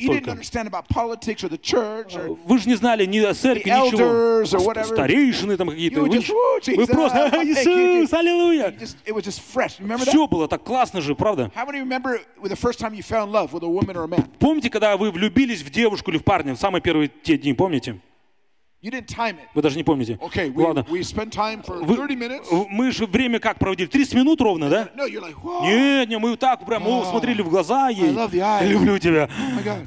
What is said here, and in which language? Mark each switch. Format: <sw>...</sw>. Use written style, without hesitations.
<ru>только.</ru> <en>You didn't understand about politics or the church or</en> <ru>вы же не знали ни о церкви,</ru> <en>the</en> <ru>ничего.</ru> <en>Elders or whatever.</en> <ru>Старейшины там какие-то.</ru> <en>You</en> <ru>вы,</ru> <en>just, Jesus,</en> <ru>вы просто, Иисус, аллилуйя.</ru> <en>It was just fresh. Remember</en> <ru>все Все было так классно же, правда?</ru> <en>How many remember the first time you fell in love with a woman or a man?</en> <ru>Помните, когда вы влюбились в девушку или в парня в самые первые те дни, помните?</ru> <en>You didn't time it.</en> <ru>Вы даже не помните.</ru> <en>Okay,</en> <ru>ладно.</ru> <en>We spent time for 30 minutes.</en> <ru>Мы же время как проводили? 30 минут ровно,</ru> <en>and</en> <ru>да?</ru> <en>No, you're like, whoa.</en> <ru>Нет, нет, мы так прям мы смотрели в глаза ей.</ru> <en>I love the eyes.</en> <ru>Я люблю тебя.</ru> <en>Oh my God.</en>